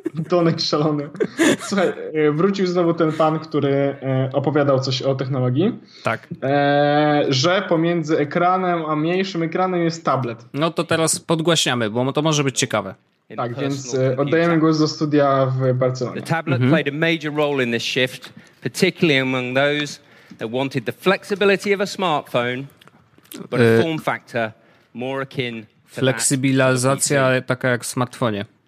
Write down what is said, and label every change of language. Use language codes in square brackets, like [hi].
[pl] Donek szalony. Słuchaj, wrócił znowu ten pan, który opowiadał coś o technologii. Tak. Że pomiędzy ekranem a mniejszym ekranem jest tablet. No to teraz podgłaśniamy, bo to może być ciekawe. Tak, więc oddajemy głos do studia w Barcelonie. [en] The tablet played a major role in this shift, particularly among those that wanted the flexibility of a smartphone, but a form factor more akin [pl] Fleksybilizacja taka jak w smartfonie.